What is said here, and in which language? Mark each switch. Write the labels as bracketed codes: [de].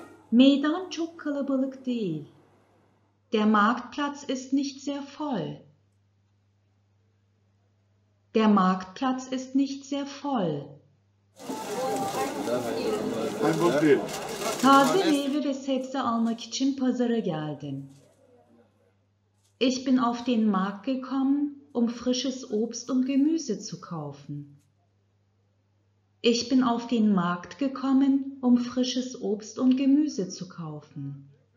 [tr] Meydan çok kalabalık değil. [de] Der Marktplatz ist nicht sehr voll. Der Marktplatz ist nicht sehr voll. [tr] Taze Meyve ve Sebze almak için pazara geldim. [de] Ich bin auf den Markt gekommen, um frisches Obst und Gemüse zu kaufen. Ich bin auf den Markt gekommen, um frisches Obst und Gemüse zu kaufen.